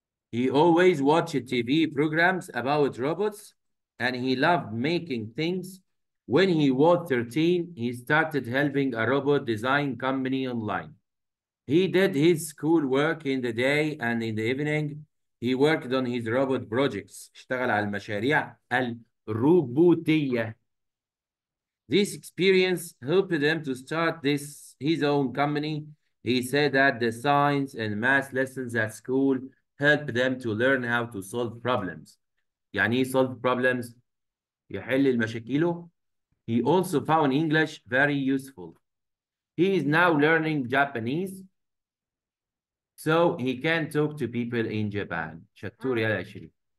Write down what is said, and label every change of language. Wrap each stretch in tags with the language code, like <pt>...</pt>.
<en>He always watched TV programs about robots and he loved making things. When he was 13, he started helping a robot design company online. He did his school work in the day and in the evening, he worked on his robot projects.</en> <ar>اشتغل على المشاريع الروبوتية.</ar> <en>This experience helped him to start his own company. He said that the science and math lessons at school help them to learn how to solve problems.</en> <ar>يعني ايه</ar> <en>solve problems؟</en> <ar>يحل المشاكله.</ar> <en>He also found English very useful. He is now learning Japanese so he can talk to people in Japan.</en> <ar>شطور يا شريف.</ar>